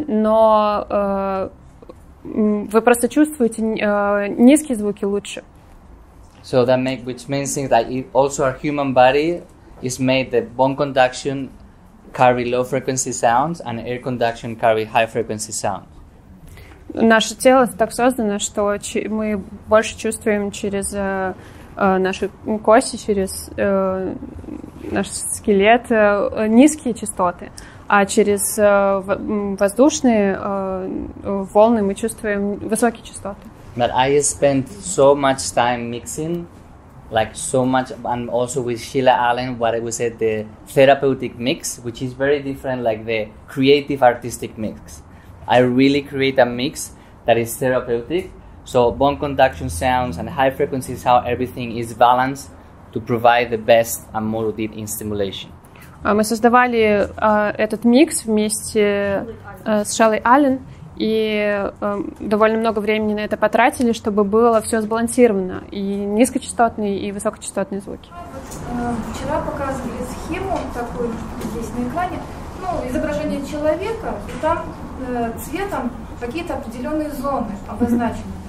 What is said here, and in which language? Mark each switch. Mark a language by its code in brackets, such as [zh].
[ru] Но вы просто чувствуете низкие звуки лучше. [en] So that make which means that it also our human body is made that bone conduction carry low frequency sounds and air conduction carry high frequency sounds. [ru] Наше тело так создано, что мы больше чувствуем через наши кости, через наш скелет низкие частоты, а через воздушные волны мы чувствуем высокие частоты. [en] But I spent so much time mixing, like so much, and also with Sheila Allen, what we said, the therapeutic mix, which is very different, like the creative artistic mix. I really create a mix that is therapeutic. So bone conduction sounds and high frequencies, how everything is balanced to provide the best and more deep in stimulation. [ru] Мы создавали этот микс вместе с Шелли Аллен, и довольно много времени на это потратили, чтобы было все сбалансировано, и низкочастотные, и высокочастотные звуки. Вчера показывали схему такую здесь на экране, изображение человека, и там цветом какие-то определенные зоны обозначены.